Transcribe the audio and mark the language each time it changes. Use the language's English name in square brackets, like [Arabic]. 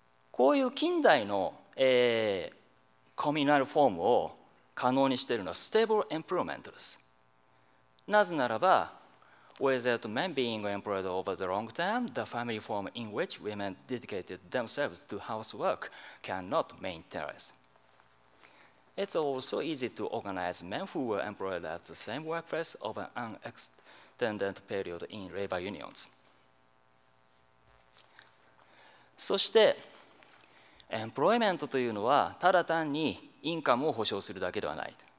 [Japanese] こういう近代の、えー、コミュナルフォームを可能にしているのはステーブルエンプロイメントです。なぜならば、 [English] without men being employed over the long term, the family form in which women dedicated themselves to housework cannot maintain. It's also easy to organize men who were employed at the same workplace over an extended period in labor unions. [Japanese] そして、エンプロイメントというのは、ただ単にインカムを保障するだけではない。